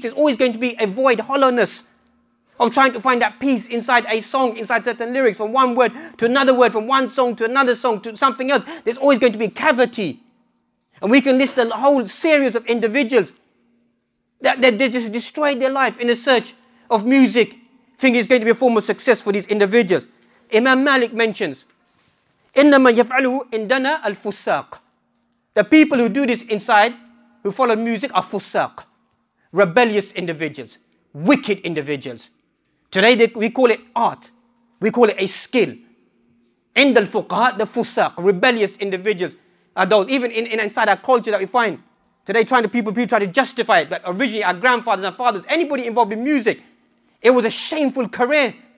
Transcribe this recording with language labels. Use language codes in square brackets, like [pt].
[en] There's always going to be a void, hollowness of trying to find that peace inside a song, inside certain lyrics, from one word to another word, from one song to another song, to something else. There's always going to be cavity. And we can list a whole series of individuals that they just destroyed their life in a search of music, thinking it's going to be a form of success for these individuals. Imam Malik mentions, [ar] إِنَّمَا يَفْعَلُهُ إِنْدَنَا الْفُسَّاقِ. [en] The people who do this inside, who follow music, are fusaq. Rebellious individuals. Wicked individuals. Today we call it art. We call it a skill. [ar] عند الفقهاء, [en] the fusaq, rebellious individuals, are those. Even inside our culture that we find today, people try to justify it. That originally our grandfathers and fathers, anybody involved in music, it was a shameful career.